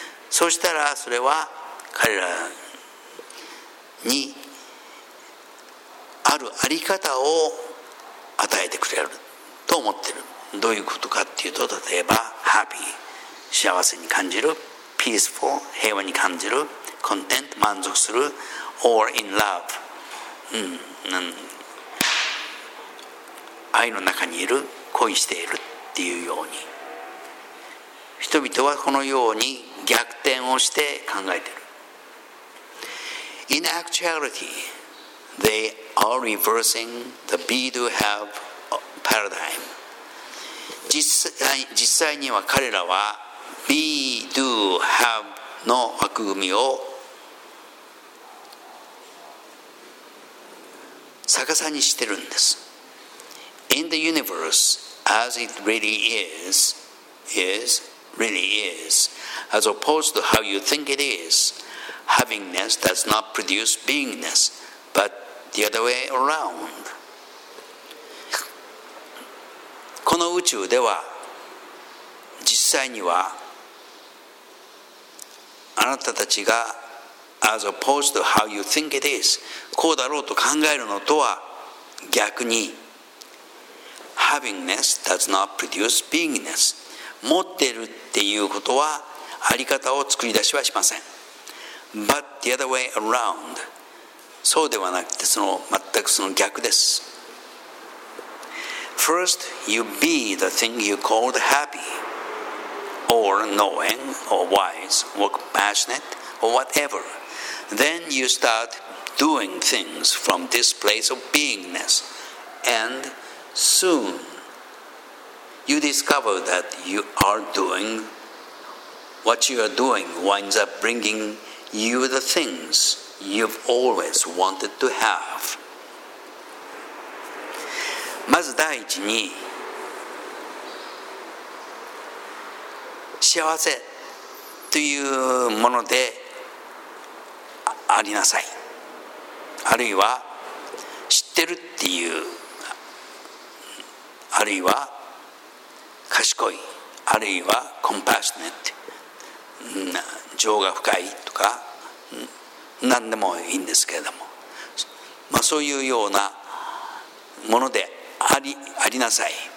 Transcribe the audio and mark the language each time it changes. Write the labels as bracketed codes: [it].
[ja] そしたらそれは彼らにあるあり方を与えてくれると思ってる。どういうことかっていうと、例えば happy、 幸せに感じる、 peaceful、 平和に感じる、 content、 満足する、 [en] or in love、 [ja] 愛の中にいる、恋しているっていうように、人々はこのように逆転をして考えている。 [en] In actuality, they are reversing the be do have paradigm. [ja] 実際には彼らは be do have の枠組みを逆さにしてるんです。 [en] In the universe, as it really is, really is, as opposed to how you think it is, havingness does not produce beingness, but the other way around. [ja] この宇宙では、実際には、あなたたちが、 [en] as opposed to how you think it is, [ja] こうだろうと考えるのとは逆に、 [en] Havingness does not produce beingness. [ja] 持っているっていうことはあり方を作り出しはしません。 [en] But the other way around、 [ja] そうではなくて、その全くその逆です。 [en] First, you be the thing you called happy, or knowing, or wise, or compassionate, or whatever. Then you start doing things from this place of beingness, andSoon, you discover that you are doing what you are doing winds up bringing you the things you've always wanted to have. [ja] まず第一に、幸せというものでありなさい。あるいは知ってるっていう、あるいは賢い、あるいは compassionate、 情が深いとか、何でもいいんですけれども、まあ、そういうようなものでありなさい。